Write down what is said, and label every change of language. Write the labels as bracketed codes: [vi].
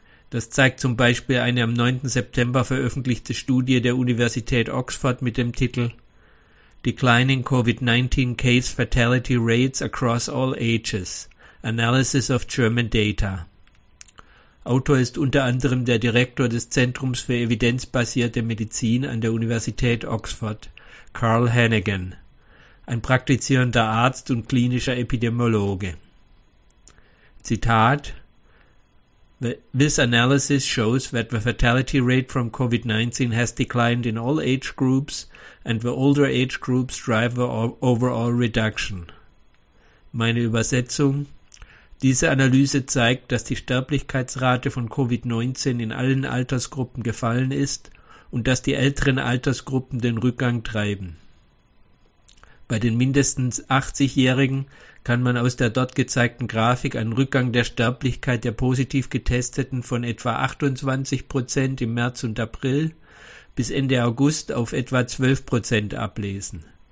[de] Das zeigt zum Beispiel eine am 9. September veröffentlichte Studie der Universität Oxford mit dem Titel » [en] Declining COVID-19 Case Fatality Rates Across All Ages – Analysis of German Data«. [de] Autor ist unter anderem der Direktor des Zentrums für evidenzbasierte Medizin an der Universität Oxford, Carl Hannigan, ein praktizierender Arzt und klinischer Epidemiologe. [en] Zitat: This analysis shows that the fatality rate from COVID-19 has declined in all age groups and the older age groups drive the overall reduction. [de] Meine Übersetzung: Diese Analyse zeigt, dass die Sterblichkeitsrate von Covid-19 in allen Altersgruppen gefallen ist und dass die älteren Altersgruppen den Rückgang treiben. Bei den mindestens 80-Jährigen kann man aus der dort gezeigten Grafik einen Rückgang der Sterblichkeit der positiv Getesteten von etwa 28% im März und April bis Ende August auf etwa 12% ablesen.